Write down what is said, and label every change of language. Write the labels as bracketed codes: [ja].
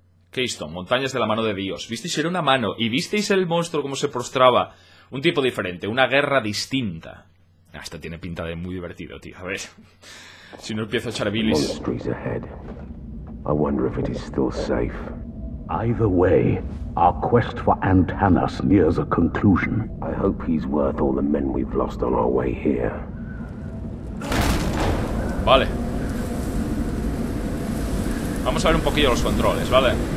[es] Keystone, montañas de la mano de Dios. ¿Visteis? Era una mano. ¿Y visteis el monstruo cómo se prostraba? Un tipo diferente, una guerra distinta. Ah, esto tiene pinta de muy divertido, tío. A ver. Si no empiezo a echar bilis. [en] I wonder if it is still safe. Either way, our quest for Antanas nears a conclusion. I hope he's worth all the men we've lost on our way here. [es] Vale. Vamos a ver un poquillo los controles, ¿vale?